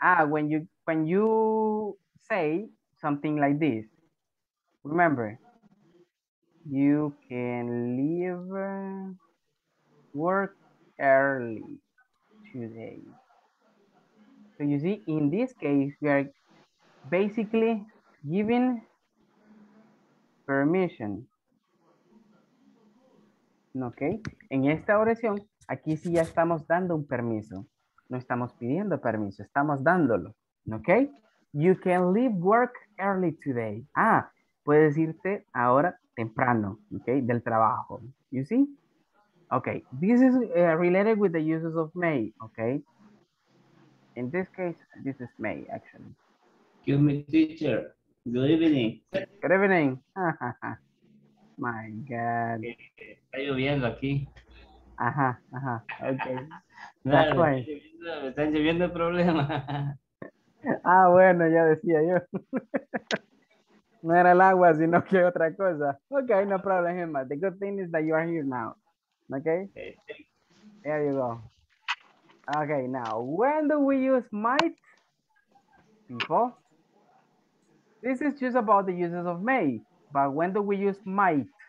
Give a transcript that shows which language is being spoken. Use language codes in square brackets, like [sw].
[en] Ah, when you say something like this, remember, you can leave work early today. So you see, in this case, we are basically giving permission. [es] Okay, en esta oración, aquí sí ya estamos dando un permiso. No estamos pidiendo permiso, estamos dándolo. Okay? [en] You can leave work early today. [es] Ah, puedes irte ahora temprano, okay, del trabajo. [en] You see? Okay, this is related with the uses of may, okay? In this case, this is may, actually. Excuse me, teacher. Good evening. Good evening. My God. [es] Está lloviendo aquí. Ajá, ajá, ok. Me están lloviendo el problema. Ah, bueno, ya decía yo. No era el agua, sino que otra cosa. [en] Ok, no problem. The good thing is that you are here now. Okay? There you go. Ok, now, when do we use might? People? This is just about the uses of may, but when do we use might?